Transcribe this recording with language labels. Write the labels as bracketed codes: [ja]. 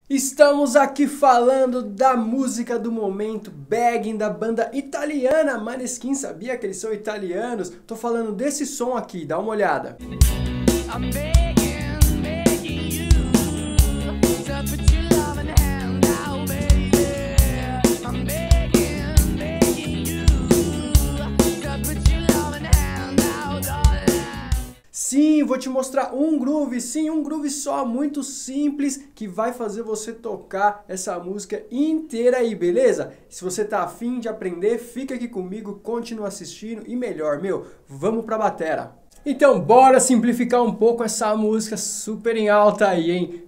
[pt] Estamos aqui falando da música do momento, Begging, da banda italiana Maneskin. Sabia que eles são italianos? Tô falando desse som aqui, dá uma olhada. [en] I'm begging, begging you to put your loving hand out, baby. I'm begging, begging you to put your loving hand out, darling. [pt] Sim, vou te mostrar um groove, sim, um groove só, muito simples, que vai fazer você tocar essa música inteira aí, beleza? Se você tá afim de aprender, fica aqui comigo, continua assistindo e melhor, meu, vamos pra batera. Então, bora simplificar um pouco essa música super em alta aí, hein?